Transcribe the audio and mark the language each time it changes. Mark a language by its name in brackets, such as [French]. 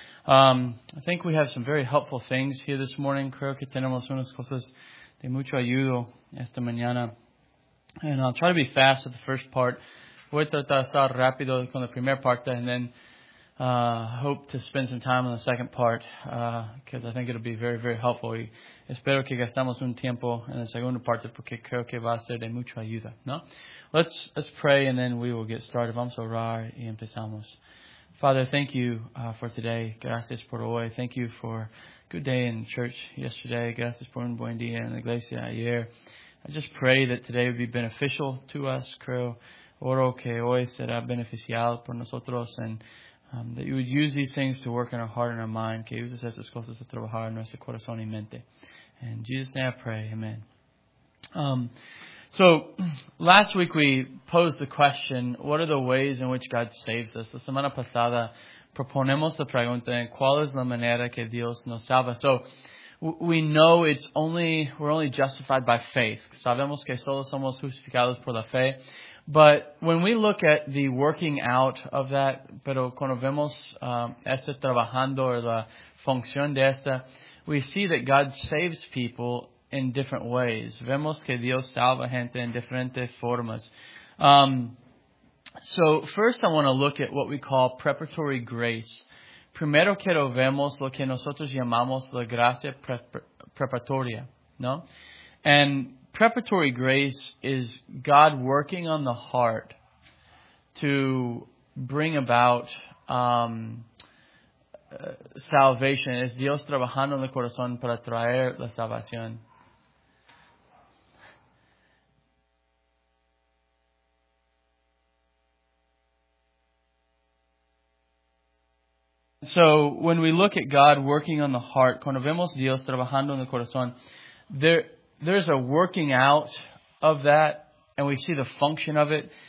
[English] I think we have some very helpful things here this morning. [Spanish] Creo que tenemos unas cosas de mucho ayudo esta mañana. [English] And I'll try to be fast with the first part. [Spanish] Voy a tratar de estar rápido con la primera parte, [English] and then hope to spend some time on the second part, because I think it'll be very, very helpful. [Spanish] Y espero que gastamos un tiempo en la segunda parte, porque creo que va a ser de mucha ayuda, ¿no? [English] Let's pray, and then we will get started. [Spanish] Vamos a orar y empezamos. [English] Father, thank you for today. [Spanish] Gracias por hoy. [English] Thank you for a good day in church yesterday. [Spanish] Gracias por un buen día en la iglesia ayer. [English] I just pray that today would be beneficial to us. [Spanish] Creo, oro que hoy será beneficial por nosotros, [English] and that you would use these things to work in our heart and our mind. [Spanish] Que uses estas cosas a trabajar en nuestro corazón y mente. [English] In Jesus' name I pray. Amen. So, last week we posed the question, what are the ways in which God saves us? [Spanish] La semana pasada proponemos la pregunta, ¿cuál es la manera que Dios nos salva? [English] So, we know we're only justified by faith. [Spanish] Sabemos que solo somos justificados por la fe. [English] But when we look at the working out of that, [Spanish] pero cuando vemos este trabajando o la función de esta, [English] we see that God saves people in different ways. [Spanish] Vemos que Dios salva gente en diferentes formas. [English] So first I want to look at what we call preparatory grace. [Spanish] Primero quiero vemos lo que nosotros llamamos la gracia preparatoria, ¿no? [English] And preparatory grace is God working on the heart to bring about salvation. [Spanish] Es Dios trabajando en el corazón para traer la salvación. [English] So when we look at God working on the heart, [Spanish] cuando vemos Dios trabajando en el corazón, [English] there's a working out of that, and we see the function of it.